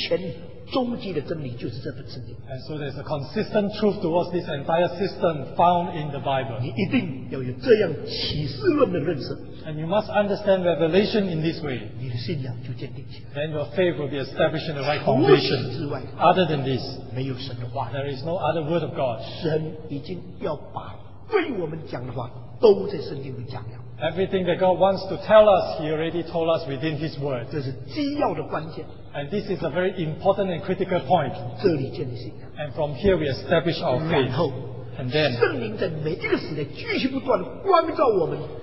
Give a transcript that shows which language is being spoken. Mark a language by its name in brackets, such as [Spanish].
[Chinese] 这个整个前后贯彻始终齐全终极的真理就是这本圣经。 [English] And so there's a consistent truth towards this entire system found in the Bible. [Chinese] 你一定要有这样启示论的认识。 [English] And you must understand revelation in this way. [Chinese] 你的信仰就建立起来。 [English] Then your faith will be established in the right foundation. [Chinese] 除此之外, [English] other than this, [Chinese] 没有神的话, [English] there is no other word of God. [Chinese] 神已经要把对我们讲的话都在圣经里讲了。 [English] Everything that God wants to tell us, He already told us within His word. [Chinese] 这是基要的关键。 [English] And this is a very important and critical point. [Chinese] 这里建立信仰。 [English] And from here we establish our faith. [Chinese] 然后, [English] and then, [Chinese] 圣灵在每一个时代继续不断地关照我们。